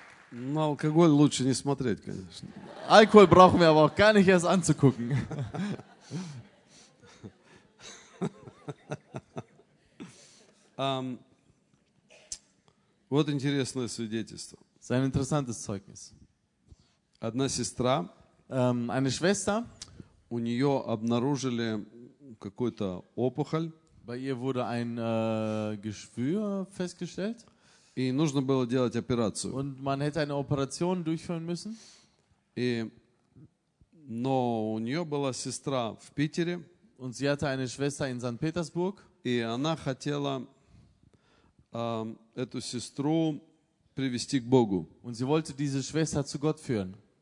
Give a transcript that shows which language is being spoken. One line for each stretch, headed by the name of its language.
Russian: На алкоголь лучше не смотреть, конечно.
German: Alkohol brauchen wir aber auch gar nicht erst anzugucken.
Russian: Вот интересное свидетельство.
German: Это ein interessantes Zeugnis.
Russian: Одна сестра,
German: eine Schwester,
Russian: у нее обнаружили какую-то опухоль.
German: Bei ihr wurde ein Geschwür festgestellt.
Russian: И нужно было делать операцию.
German: Und man hätte eine Operation durchführen müssen.
Russian: Но у нее была сестра в Питере.
German: Und sie hatte eine Schwester in St. Petersburg.
Russian: И она хотела эту сестру привести к Богу.
German: Und sie wollte diese Schwester zu Gott führen.